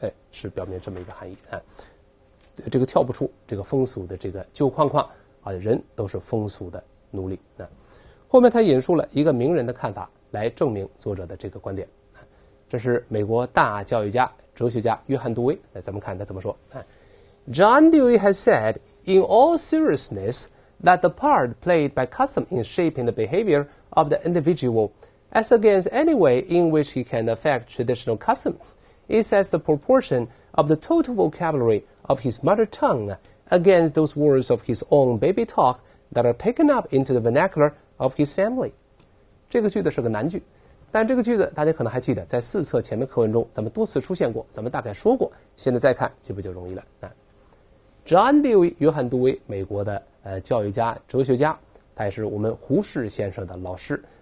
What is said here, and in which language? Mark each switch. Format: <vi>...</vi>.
<zh>是表面这么一个含义啊，这个跳不出这个风俗的这个旧框框啊，人都是风俗的奴隶啊。后面他引述了一个名人的看法来证明作者的这个观点啊，这是美国大教育家、哲学家约翰·杜威。来，咱们看他怎么说啊</zh> <en>？John Dewey has said in all seriousness that the part played by custom in shaping the behavior of the individual, as against any way in which he can affect traditional custom, It sets the proportion of the total vocabulary of his mother tongue against those words of his own baby talk that are taken up into the vernacular of his family.</en> <zh>这个句子是个难句，但这个句子大家可能还记得，在四册前面课文中咱们多次出现过，咱们大概说过，现在再看就不就容易了啊。 John Dewey， 约翰·杜威，美国的教育家、哲学家，他也是我们胡适先生的老师。</zh>